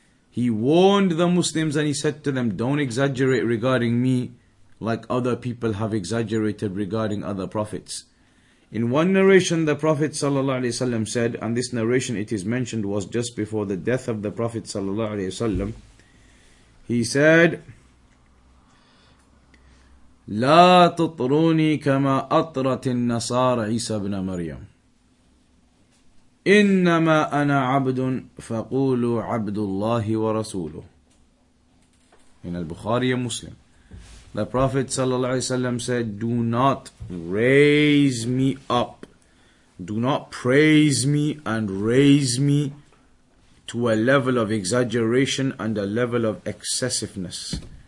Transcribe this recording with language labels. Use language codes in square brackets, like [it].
[en] He warned the Muslims and he said to them, don't exaggerate regarding me like other people have exaggerated regarding other prophets. In one narration, the Prophet ﷺ said, and this narration, it is mentioned, was just before the death of the Prophet ﷺ. He said, [ar] لا تطروني كما أطرت النصارى عيسى بن مريم إنما أنا عبد فقولوا عبد الله ورسوله. [en] In Al-Bukhari and Muslim, the Prophet sallallahu alaihi wasallam said, do not raise me up, do not praise me and raise me to a level of exaggeration and a level of excessiveness.